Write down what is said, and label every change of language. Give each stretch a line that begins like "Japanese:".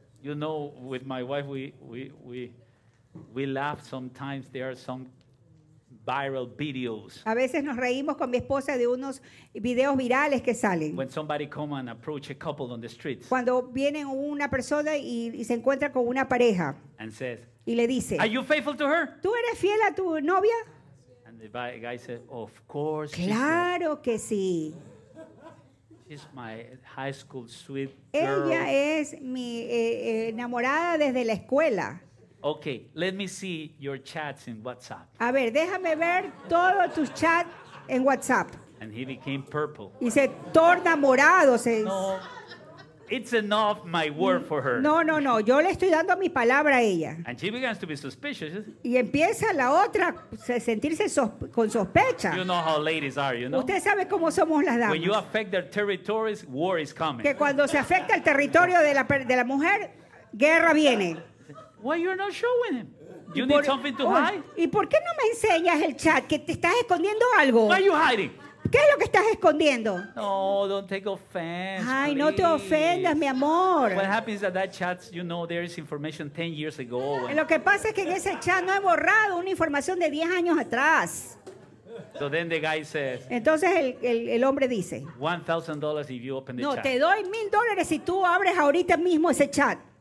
English: You know, with my wife, we laugh sometimes. There are some viral videos.
Spanish: A veces nos reímos con mi esposa de unos videos virales que salen.
English: When somebody come and approach a couple on the streets.
Spanish: Cuando viene una persona y se encuentra con una pareja.
English: And says.
Spanish: Y le dice.
English: Are you faithful to her?
Spanish: ¿Tú eres fiel a tu novia?
English: And the guy says, of course.
Spanish: Claro que sí.
English: She's my high school sweet girl.
Spanish: Ella es mi enamorada desde la escuela.
English: Okay, let me see your chats in WhatsApp.
Spanish: A ver, déjame ver todos tus chats en WhatsApp.
English: And he became purple.
Spanish: Y se torna morado.
English: No, it's enough my word for her.
Spanish: No. Yo le estoy dando mi palabra a ella.
English: And she begins to be suspicious.
Spanish: Y empieza la otra a sentirse con sospecha.
English: You know how ladies are, you know?
Spanish: Usted sabe cómo somos las damas.
English: When you affect their territories, war is coming.
Spanish: Que cuando se afecta el territorio de la mujer, guerra viene.
English: Why you're not showing him? You need something to hide?
Spanish: ¿Y por qué no me enseñas el chat que te estás escondiendo algo?
English: Why are you hiding?
Spanish: ¿Qué es lo que estás escondiendo?
English: No, don't take offense. Ay,
Spanish: No te ofendas, mi amor.
English: What happens is that chat, you know, there is information 10 years ago.
Spanish: Lo que pasa es que en ese chat no he borrado una información de 10 años atrás.
English: So then the guy says.
Spanish: Entonces el hombre dice.
English: $1,000 if you open the
Spanish: no,
English: chat.
Spanish: No, te doy $1,000 si tú abres ahorita mismo ese chat.